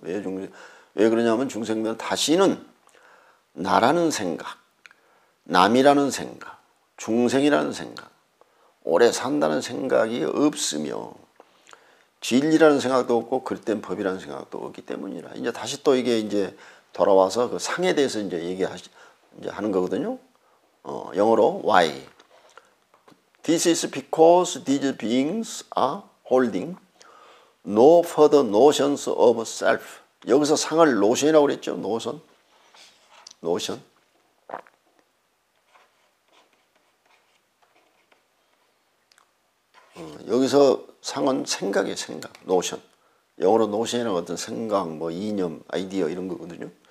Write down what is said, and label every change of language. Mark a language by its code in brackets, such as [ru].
[ko] 왜 그러냐면 중생들은 다시는 나라는 생각, 남이라는 생각, 중생이라는 생각, 오래 산다는 생각이 없으며 진리라는 생각도 없고 그릇된 법이라는 생각도 없기 때문이라. 이제 다시 또 이게 이제 돌아와서 그 상에 대해서 이제 이제 하는 거거든요. 영어로 why? [en] This is because these beings are holding no further notions of self. [ko] 여기서 상을 노션이라고 그랬죠. 노션. 노션. 여기서 상은 생각이에요. 생각. 노션. 영어로 노션이라는 어떤 생각, 뭐 이념, 아이디어 이런 거거든요.